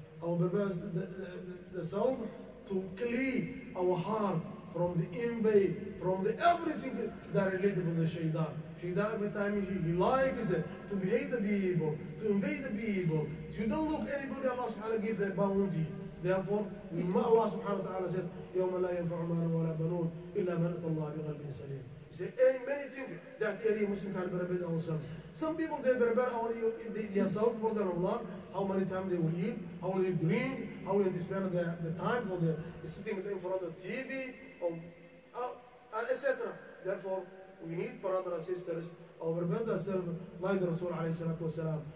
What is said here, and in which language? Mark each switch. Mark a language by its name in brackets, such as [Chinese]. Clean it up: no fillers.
[English] Our purpose, the soul, to clear our heart from the envy, from the everything that related to the shaitan. Shaitan, every time he likes it, to hate the people, to invade the people. You don't look anybody, Allah subhanahu wa ta'ala gives their bounty. Therefore, Allah subhanahu wa ta'ala said, [Arabic] يَوْمَ لَا يَنْفَعُ مَالٌ وَلَا بَنُونَ إِلَّا مَنْ أَتَى اللَّهَ بِقَلْبٍ سَلِيمٍ. [English] Say any many things that any Muslim can prepare ourselves. Some people they prepare themselves for their Allah. How many times they will eat? How will they drink? How will they spend the time for their sitting in front of TV or etc. Therefore, we need brothers and sisters to prepare themselves like the Rasul alayhi salatu wasalam.